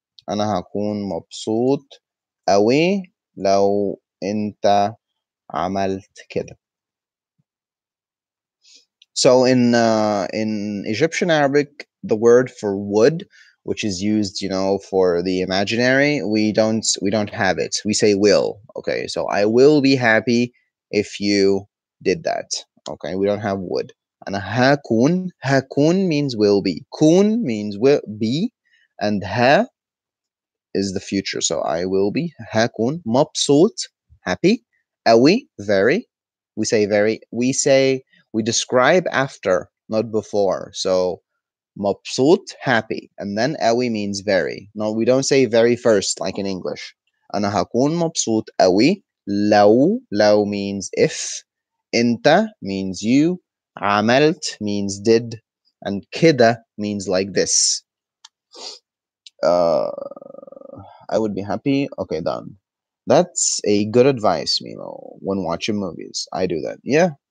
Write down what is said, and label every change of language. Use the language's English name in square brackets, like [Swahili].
[Arabic] أنا هكون مبسوط أوي لو أنت عملت كده. [English] So in Egyptian Arabic, the word for would, which is used, you know, for the imaginary, we don't have it. We say will. Okay, so I will be happy if you did that. Okay, we don't have would. And ha kun means will be. Kun means will be, and ha is the future. So I will be [Arabic] ha kun mabsoot, [English] happy. Awi, very. We say very. We describe after, not before. So مبسوط, happy. And then أوي means very. No, we don't say very first, like in English. [Arabic] أنا هكون مبسوط أوي لو [English] means if. أنت means you. عملت means did. And كده means like this. I would be happy. Okay, done. That's a good advice, Mimo, when watching movies. I do that. Yeah.